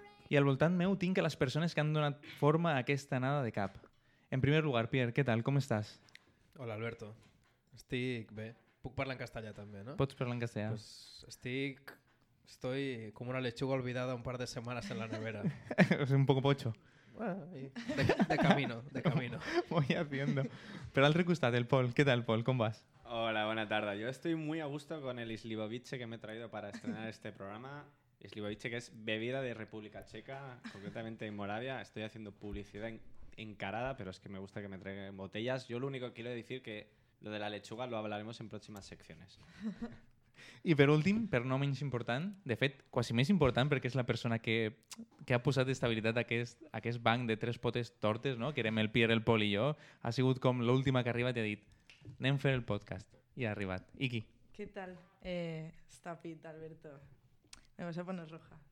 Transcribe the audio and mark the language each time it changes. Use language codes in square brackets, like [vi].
[ca] I al voltant meu tinc a les persones que han donat forma a aquesta anada de cap. En primer lugar, Pierre, què tal? Com estàs? Hola, Alberto. Estic bé. Puc parlar en castellà també, no? Pots parlar en castellà. [es] Pues estoy como una lechuga olvidada un par de semanas en la nevera. Es un poco pocho. De camino. Voy haciendo. Pero al recostat, el Pol. ¿Qué tal, Pol? ¿Cómo vas? Hola, buena tarde. Yo estoy muy a gusto con el Slivovice que me he traído para estrenar este programa. Slivovice, que es bebida de República Checa, concretamente en Moravia. Estoy haciendo publicidad encarada, pero es que me gusta que me traigan botellas. Yo lo único que quiero decir que lo de la lechuga lo hablaremos en próximas secciones. [ca] I per últim, per no menys important, de fet, quasi més important perquè és la persona que ha posat estabilitat aquest banc de tres potes tortes, no? Que érem el Pierre, el Pol i jo, ha sigut com l'última que ha arribat i ha dit anem a fer el podcast. I ha arribat. Iki. Què tal? Està pit, [es] Alberto. Me vas a poner roja.